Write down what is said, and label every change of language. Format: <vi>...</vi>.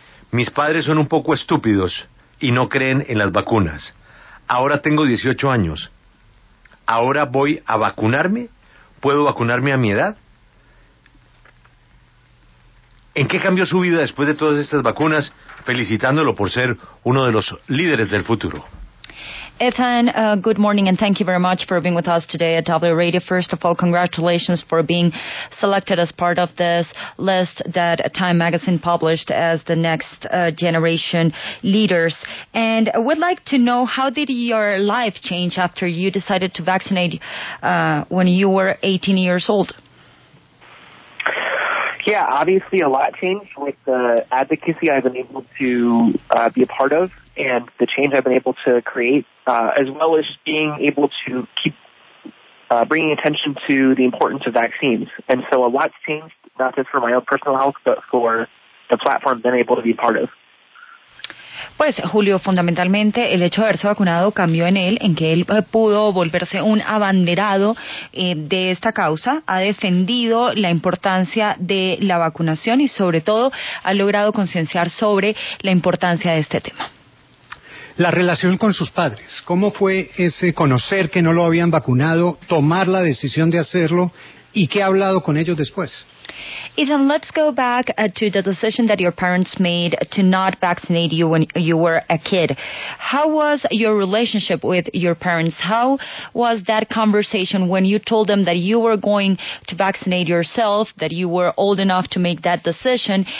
<es>Mis padres son un poco estúpidos y no creen en las vacunas. Ahora tengo 18 años. ¿Ahora voy a vacunarme? ¿Puedo vacunarme a mi edad? ¿En qué cambió su vida después de todas estas vacunas? Felicitándolo por ser uno de los líderes del futuro.</es> <en>Ethan, good morning and thank you very much for being with us today at W Radio. First of all, congratulations for being selected as part of this list that Time Magazine published as the next generation leaders. And I would like to know, how did your life change after you decided to vaccinate when you were 18 years old? Yeah, obviously a lot changed with the advocacy I've been able to be a part of and the change I've been able to create, as well as being able to keep bringing attention to the importance of vaccines. And so a lot's changed, not just for my own personal health, but for the platform I've been able to be a part of.</en> <es>Pues, Julio, fundamentalmente el hecho de haberse vacunado cambió en él, en que él pudo volverse un abanderado de esta causa, ha defendido la importancia de la vacunación y sobre todo ha logrado concienciar sobre la importancia de este tema. La relación con sus padres, ¿cómo fue ese conocer que no lo habían vacunado, tomar la decisión de hacerlo y qué ha hablado con ellos después?</es> <en>Ethan, let's go back to the decision that your parents made to not vaccinate you when you were a kid. How was your relationship with your parents? How was that conversation when you told them that you were going to vaccinate yourself, that you were old enough to make that decision?</en>